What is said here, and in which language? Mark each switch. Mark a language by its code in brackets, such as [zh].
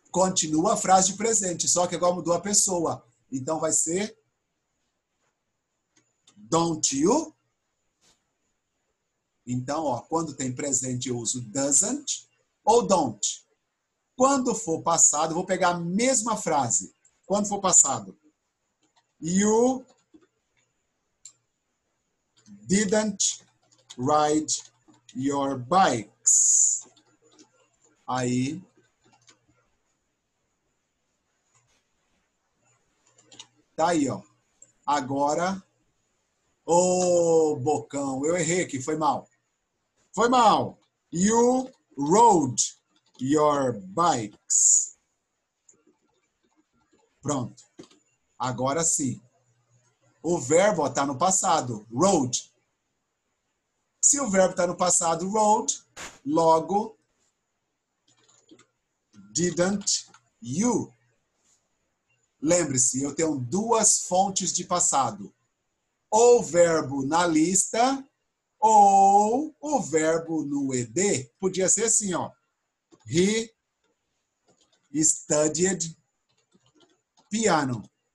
[pt] Continua a frase de presente, só que agora mudou a pessoa. Então vai ser [en] don't you? [pt] Então, ó, quando tem presente eu uso doesn't ou don't. Quando for passado, vou pegar a mesma frase. Quando for passado, [en] you didn't ride your bikes. [pt] Aí, tá aí, ó. Agora, ô, bocão, eu errei aqui, foi mal. Foi mal. [en] You rode your bikes. [pt] Pronto. Agora sim. O verbo está no passado. Rode. Se o verbo está no passado, rode, logo, [en] didn't you. [pt] Lembre-se, eu tenho duas fontes de passado. Ou verbo na lista, ou o verbo no ED. Podia ser assim, ó. [en] He studied piano.